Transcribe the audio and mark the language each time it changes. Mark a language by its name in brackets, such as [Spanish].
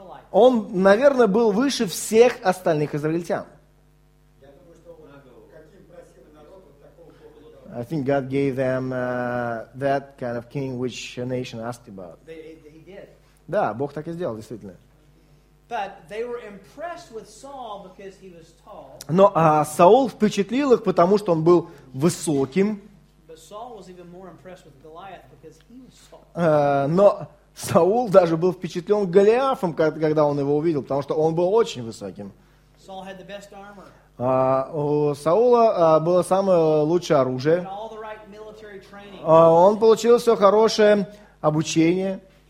[Russian] Он, наверное, был выше всех остальных израильтян. [English] I think God gave them that kind of king which a nation asked about. He did. [Russian] Да, Бог так и сделал, действительно. [English] But they were impressed with Saul because he was tall. [Russian] Но Саул впечатлил их, потому что он был высоким. [English] But Saul was even more impressed with Goliath because he was tall. [Russian] Но Саул даже был впечатлен Голиафом, когда он его увидел, потому что он был очень высоким. [English] Saul had the best armor. [Russian] У Саула было самое лучшее оружие. [English] Right [Russian] он получил все хорошее обучение.